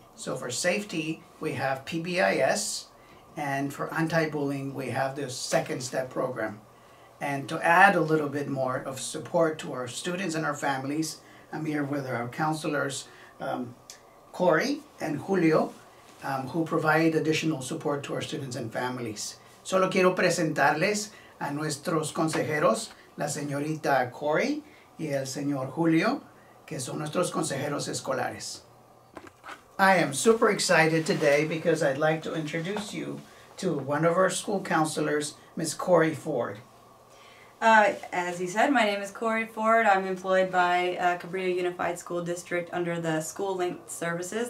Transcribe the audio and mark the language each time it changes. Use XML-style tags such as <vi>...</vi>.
<en>So for safety, we have PBIS, and for anti-bullying, we have the second step program. And to add a little bit more of support to our students and our families, I'm here with our counselors, Corey and Julio, who provide additional support to our students and families.</en> <es>Solo quiero presentarles a nuestros consejeros, la señorita Corey y el señor Julio, que son nuestros consejeros escolares.</es> <en>I am super excited today because I'd like to introduce you to one of our school counselors, Ms. Corey Ford. As you said, my name is Corey Ford. I'm employed by Cabrillo Unified School District under the School Linked Services.</en>